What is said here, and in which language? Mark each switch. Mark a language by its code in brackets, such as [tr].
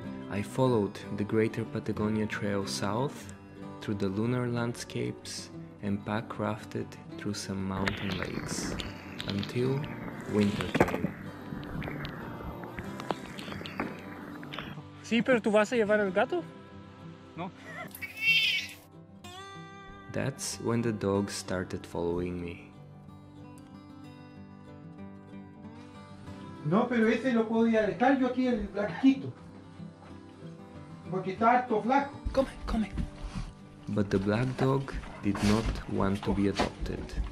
[en] I followed the greater Patagonia Trail south through the lunar landscapes and pack rafted through some mountain lakes until winter came. [es] Sí, pero tú vas a llevar el gato? No. [en] That's when the dogs started following me. [es] No, pero ese lo podía estar yo aquí el blanquito. Porque está harto flaco. [en] Come, come. But the black dog did not want to be adopted.